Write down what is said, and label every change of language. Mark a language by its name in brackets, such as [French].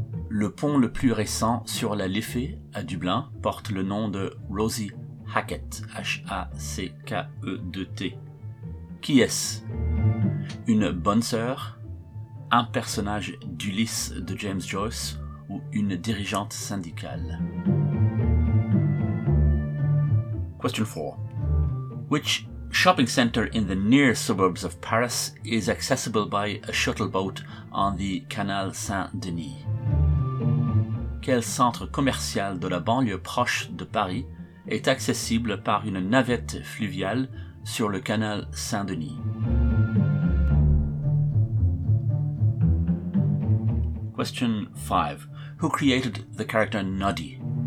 [French] Le pont le plus récent sur la Liffey à Dublin porte le nom de Rosie Hackett, H-A-C-K-E-2-T. Qui est-ce? Une bonne sœur, un personnage d'Ulysse de James Joyce ou une dirigeante syndicale? [English] Question 4. Which shopping center in the near suburbs of Paris is accessible by a shuttle boat on the Canal Saint-Denis? [French] Quel centre commercial de la banlieue proche de Paris est accessible par une navette fluviale sur le Canal Saint-Denis? [English] Question 5. Who created the character Noddy?